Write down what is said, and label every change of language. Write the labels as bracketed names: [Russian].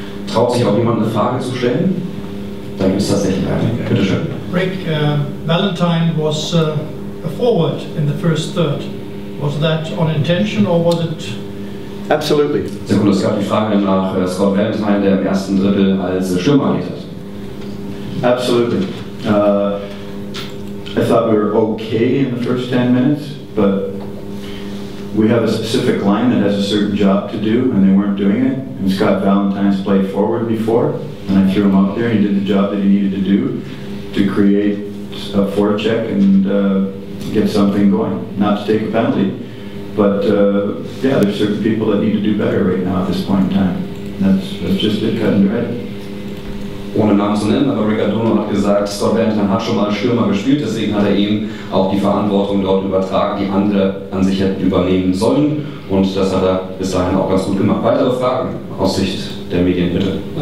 [German] Traut sich auch jemand eine Frage zu stellen? Dann gibt es tatsächlich eine. Bitte schön. [English] Rick, Valentine was a forward in the first third. Was that on intention or was it? Absolutely. [German] Sehr gut, es gab die Frage nach Scott Valentine, der im ersten Drittel als Stürmer agiert hat. [English] Absolutely. I thought we were okay in the first 10 minutes, but we have a specific line that has a certain job to do, and they weren't doing it. And Scott Valentine's played forward before, and I threw him up there, and he did the job that he needed to do to create a forecheck and get something going, not to take a penalty. But yeah, there's certain people that need to do better right now at this point in time. That's just it, cut and dry. [German] Ohne Namen zu nennen, aber Rick Adorno hat gesagt, Scott Valentine hat schon mal Stürmer gespielt, deswegen hat er ihm auch die Verantwortung dort übertragen, die andere an sich hätten übernehmen sollen. Und das hat er bis dahin auch ganz gut gemacht. Weitere Fragen aus Sicht der Medien, bitte.